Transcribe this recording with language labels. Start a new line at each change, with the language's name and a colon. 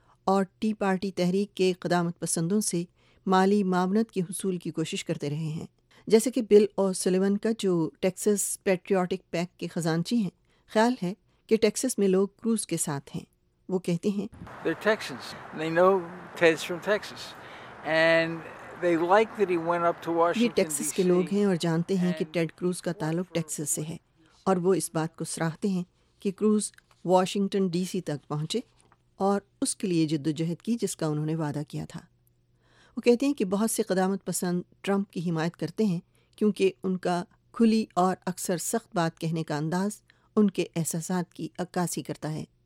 Urdu: اور T party تحریک کے قدامت پسندوں سے مالی معاونت کے حصول کی کوشش کرتے رہے ہیں، جیسے کہ بل او سلیون کا، جو ٹیکسس پیٹریوٹک پیک کے خزانچی ہیں۔ خیال ہے کہ ٹیکسس میں لوگ کروز کے ساتھ ہیں۔ وہ کہتے ہیں،
English: They're Texans. They know Ted's from Texas. And they like that he went up to Washington,
Urdu: یہ ٹیکسس کے لوگ ہیں اور جانتے ہیں کہ ٹیڈ کروز کا تعلق ٹیکسس سے ہے، اور وہ اس بات کو سراہتے ہیں کہ کروز واشنگٹن ڈی سی تک پہنچے اور اس کے لیے جدوجہد کی جس کا انہوں نے وعدہ کیا تھا۔ وہ کہتے ہیں کہ بہت سے قدامت پسند ٹرمپ کی حمایت کرتے ہیں کیونکہ ان کا کھلی اور اکثر سخت بات کہنے کا انداز ان کے احساسات کی عکاسی کرتا ہے۔